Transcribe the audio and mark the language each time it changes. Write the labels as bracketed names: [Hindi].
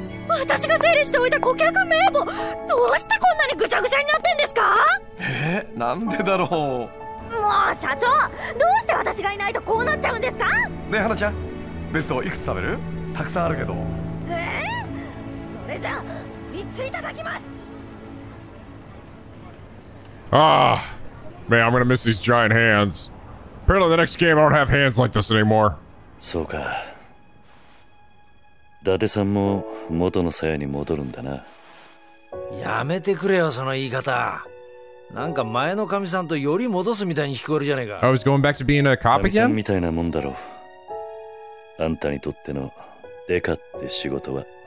[Japanese] 私が整理しておいた顧客名簿、どうしてこんなにぐちゃぐちゃになってんですか？なんでだろう。もう社長、どうして私がいないとこうなっちゃうんですか？ねえ花ちゃん、弁当いくつ食べる？たくさんあるけど。それじゃあ、3ついただきます。 [English] ああ、man, I'm gonna miss these giant hands. Apparently the next game I don't have hands like this anymore. [Japanese] そうか、伊達さんも元の鞘に戻るんだな。やめてくれよその言い方、なんか前の神さんとより戻すみたいに聞こえるじゃねえか。 [English] I was going back to being a cop again? [Japanese] 神さんみたいなもんだろう。あんたにとってのデカって仕事は。